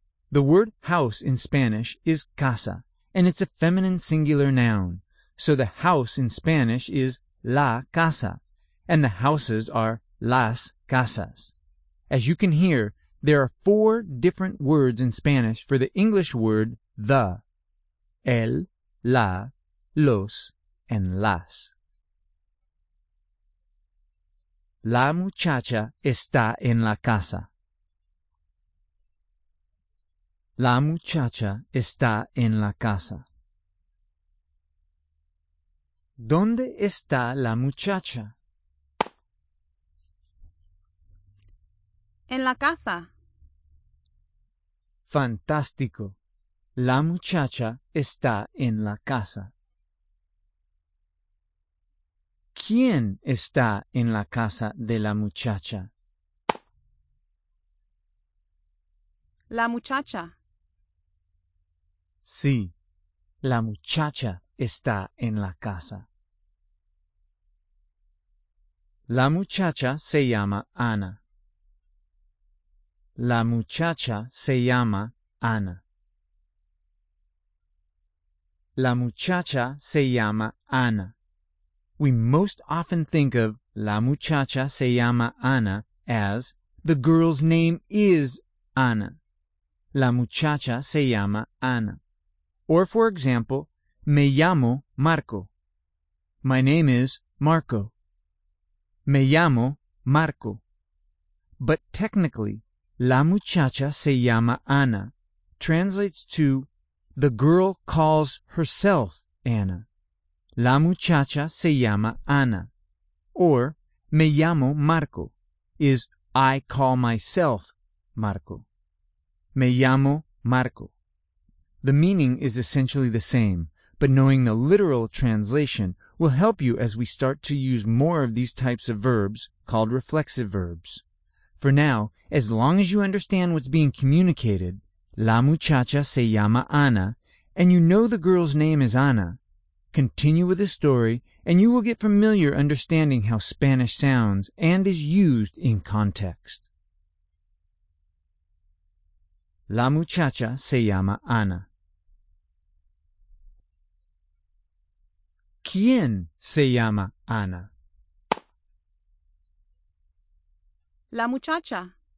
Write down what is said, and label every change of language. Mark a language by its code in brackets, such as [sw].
[en] The word house in Spanish is casa, and it's a feminine singular noun, so the house in Spanish is [es] la casa. [en] and the houses are [es] las casas. [en] As you can hear, there are four different words in Spanish for the English word the: el, la, los, and las. [es] La muchacha está en la casa. La muchacha está en la casa. ¿Dónde está la muchacha? En la casa. Fantástico. La muchacha está en la casa. ¿Quién está en la casa de la muchacha? La muchacha. Sí, la muchacha está en la casa. La muchacha se llama Ana. La muchacha se llama Ana. La muchacha se llama Ana. [en] We most often think of [es] la muchacha se llama Ana [en] as the girl's name is Ana. [es] La muchacha se llama Ana. [en] Or, for example, [es] me llamo Marco. [en] My name is Marco. [es] Me llamo Marco. [en] But technically, [es] la muchacha se llama Ana [en] translates to the girl calls herself Ana. [es] La muchacha se llama Ana. [en] Or, [es] me llamo Marco [en] is I call myself Marco. [es] Me llamo Marco. [en] The meaning is essentially the same, but knowing the literal translation will help you as we start to use more of these types of verbs called reflexive verbs. For now, as long as you understand what's being communicated, [es] la muchacha se llama Ana, [en] and you know the girl's name is Ana, continue with the story and you will get familiar understanding how Spanish sounds and is used in context. [es] La muchacha se llama Ana. ¿Quién se llama Ana? La muchacha.